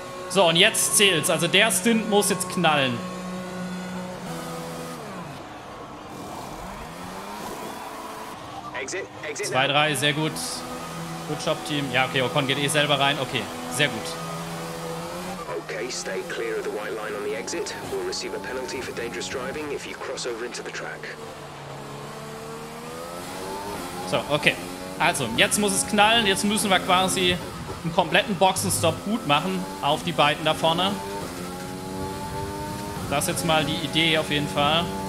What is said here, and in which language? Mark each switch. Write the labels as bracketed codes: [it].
[de] So, und jetzt zählt's. Also der Stint muss jetzt knallen. [en] Exit, exit. [de] 2-3, sehr gut. [en] Good Job, Team. [de] Ja, okay, Ocon geht eh selber rein. Okay, sehr gut. [en] Okay, stay clear of the white line on the exit. We'll receive a penalty for dangerous driving if you cross over into the track. [de] So, okay. Also, jetzt muss es knallen. Jetzt müssen wir quasi einen kompletten Boxenstopp gut machen auf die beiden da vorne. Das ist jetzt mal die Idee auf jeden Fall.